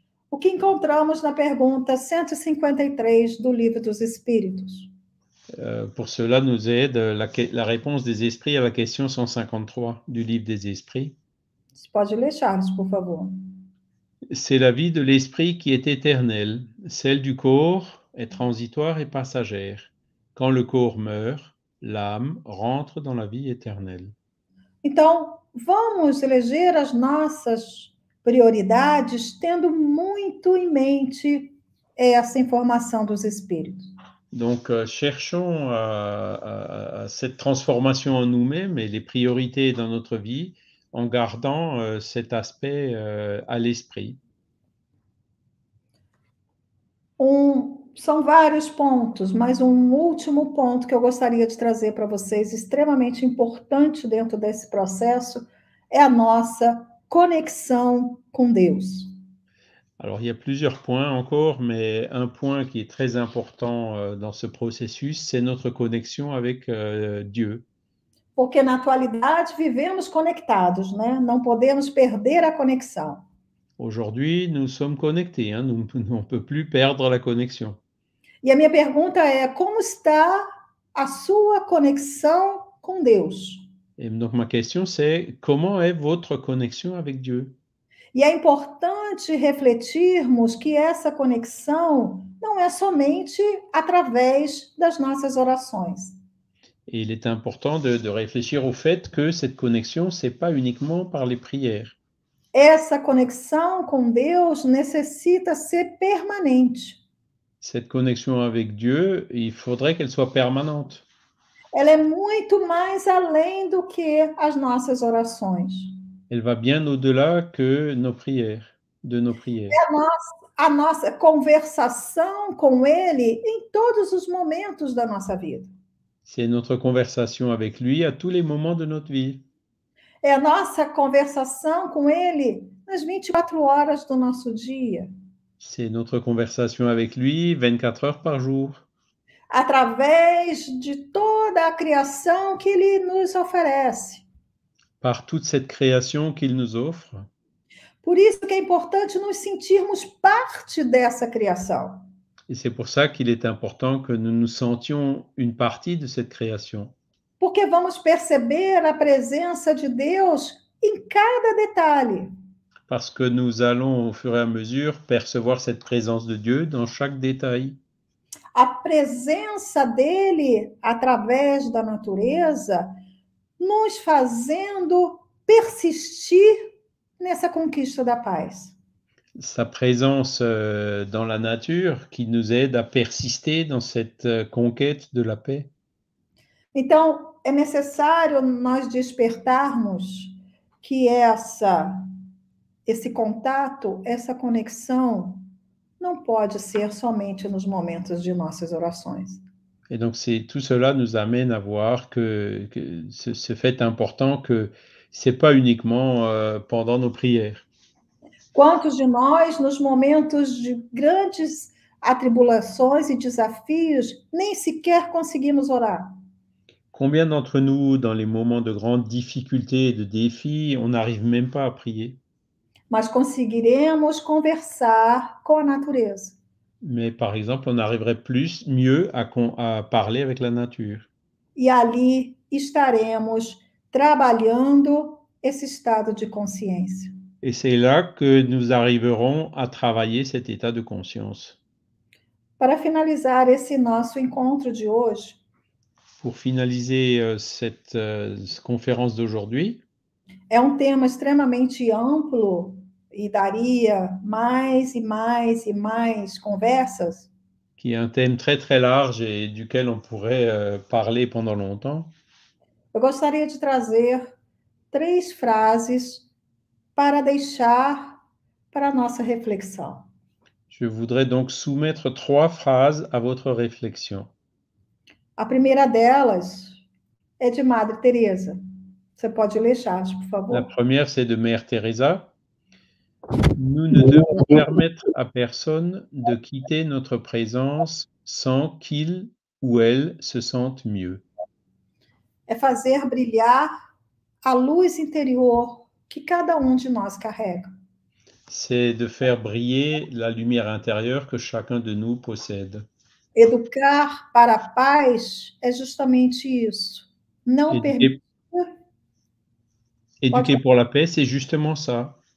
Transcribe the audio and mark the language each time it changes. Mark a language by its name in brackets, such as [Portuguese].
[Portuguese] O que encontramos na pergunta 153 do Livro dos Espíritos? [French] Pour cela, nous aide la réponse des esprits à la question 153 du livre des esprits. [Portuguese] Você pode ler, Charles, por favor. [French] C'est la vie de l'esprit qui est éternelle. Celle du corps est transitoire et passagère. Quand le corps meurt, l'âme rentre dans la vie éternelle. [Portuguese] Então, vamos eleger as nossas prioridades tendo muito em mente essa informação dos espíritos. [French] Donc, cherchons à cette transformation en nous-mêmes et les priorités dans notre vie en gardant cet aspect à l'esprit. [Portuguese] São vários pontos, mas um último ponto que eu gostaria de trazer para vocês, extremamente importante dentro desse processo, é a nossa conexão com Deus. [French] Alors, il y a plusieurs points encore, mais un point qui est très important dans ce processus, c'est notre connexion avec Dieu. [Portuguese] Porque na atualidade vivemos conectados, né? Não podemos perder a conexão. [French] Aujourd'hui, nous sommes connectés, hein? Nous on ne peut plus perdre la connexion. [Portuguese] E a minha pergunta é: como está a sua conexão com Deus? [French] Et donc, ma question, c'est comment est votre connexion avec Dieu? [Portuguese] E é importante refletirmos que essa conexão não é somente através das nossas orações. [French] Et il est important de réfléchir au fait que cette connexion, ce n'est pas uniquement par les prières. [Portuguese] Essa conexão com Deus necessita ser permanente. [French] Cette connexion avec Dieu, il faudrait qu'elle soit permanente. [Portuguese] Ela é muito mais além do que as nossas orações. [French] Elle va bien au-delà que nos prières, de nos prières. [Portuguese] É a nossa conversação com Ele em todos os momentos da nossa vida. [French] C'est notre conversation avec lui à tous les moments de notre vie. [Portuguese] É a nossa conversação com Ele nas 24 horas do nosso dia. [French] C'est notre conversation avec lui 24 heures par jour. [Portuguese] através de toda a criação que ele nos oferece. [French] Par toute cette création qu'il nous offre. [Portuguese] Por isso que é importante nos sentirmos parte dessa criação. [French] Et c'est pour ça qu'il est important que nous nous sentions une partie de cette création. [Portuguese] Porque vamos perceber a presença de Deus em cada detalhe. [French] Parce que nous allons au fur et à mesure percevoir cette présence de Dieu dans chaque détail. [Portuguese] A presença dele através da natureza nos fazendo persistir nessa conquista da paz. [French] Sa présence dans la nature qui nous aide à persister dans cette conquête de la paix. [Portuguese] Então, é necessário nós despertarmos que esse contato, essa conexão, não pode ser somente nos momentos de nossas orações. [French] Et donc c'est tout cela nous amène à voir que ce fait important que c'est pas uniquement pendant nos prières. [Portuguese] Quantos de nós, nos momentos de grandes atribulações e desafios, nem sequer conseguimos orar? [French] Combien d'entre nous, dans les moments de grandes difficultés et de défis, on n'arrive même pas à prier? [Portuguese] Mas conseguiremos conversar com a natureza. [French] Mais par exemple, on arriverait plus mieux à parler avec la nature. [Portuguese] E ali estaremos trabalhando esse estado de consciência. [French] Et c'est là que nous arriverons à travailler cet état de conscience. [Portuguese] Para finalizar esse nosso encontro de hoje, [French] pour finaliser cette conférence d'aujourd'hui, [Portuguese] é um tema extremamente amplo e daria mais e mais e mais conversas. [French] Qui est un thème très très large et duquel on pourrait parler pendant longtemps. [Portuguese] Eu gostaria de trazer três frases para deixar para nossa reflexão. [French] Je voudrais donc soumettre trois phrases à votre réflexion. [Portuguese] A primeira delas é de Madre Teresa. Você pode ler, Charles, por favor? [French] La première, c'est de Mère Teresa. Nous ne devons permettre à personne de quitter notre présence sans qu'il ou elle se sente mieux. [Portuguese] É fazer brilhar a luz interior que cada um de nós carrega. [French] C'est de faire briller la lumière intérieure que chacun de nous possède. [Portuguese] Educar para a paz é justamente isso. Não permitir. [French] Éduquer pour la paix, c'est justement ça.